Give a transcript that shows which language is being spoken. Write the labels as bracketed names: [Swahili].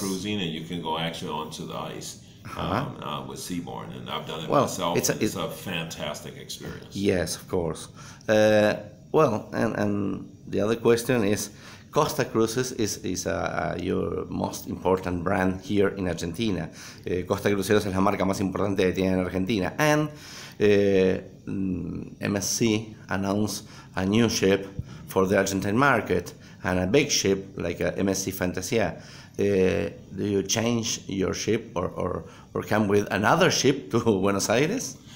[English] cruising and you can go actually onto the ice with Seabourn. And I've done it Well, myself and it's a fantastic experience. yes, of course. Well, and the other question is, Costa Cruises is your most important brand here in Argentina. [Spanish] Costa Cruceros es la marca más importante que tiene en Argentina. [English] And MSC announced a new ship for the Argentine market and a big ship like a MSC Fantasia. Do you change your ship or come with another ship to Buenos Aires?